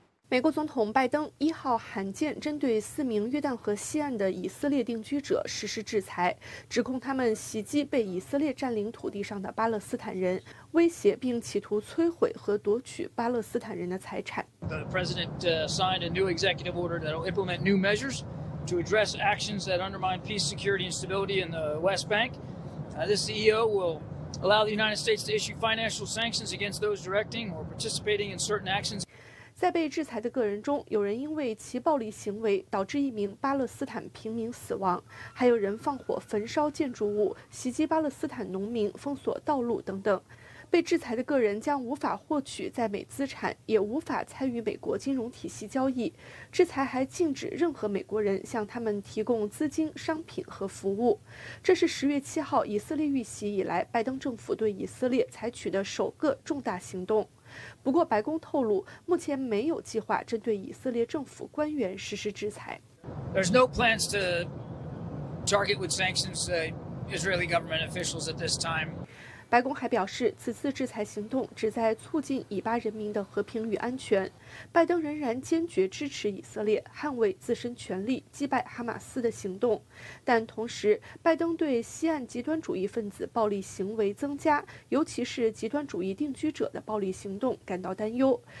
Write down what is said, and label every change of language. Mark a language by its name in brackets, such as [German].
[Chinese] 美国总统拜登一号罕见针对4名约旦河西岸的以色列定居者实施制裁，指控他们袭击被以色列占领土地上的巴勒斯坦人，威胁并企图摧毁和夺取巴勒斯坦人的财产。 [English] The president signed a new executive order that will implement new measures to address actions that undermine peace, security, and stability in the West Bank. This EO will allow the United States to issue financial sanctions against those directing or participating in certain actions. [Chinese] 在被制裁的个人中，有人因为其暴力行为导致1名巴勒斯坦平民死亡，还有人放火焚烧建筑物、袭击巴勒斯坦农民、封锁道路等等。被制裁的个人将无法获取在美资产，也无法参与美国金融体系交易。制裁还禁止任何美国人向他们提供资金、商品和服务。这是10月7号以色列遇袭以来，拜登政府对以色列采取的首个重大行动。不过白宫透露，目前没有计划针对以色列政府官员实施制裁。 [English] There's no plans to target with sanctions Israeli government officials at this time. [Chinese] 白宫还表示，此次制裁行动旨在促进以巴人民的和平与安全。拜登仍然坚决支持以色列捍卫自身权利，击败哈马斯的行动。但同时，拜登对西岸极端主义分子暴力行为增加，尤其是极端主义定居者的暴力行动感到担忧。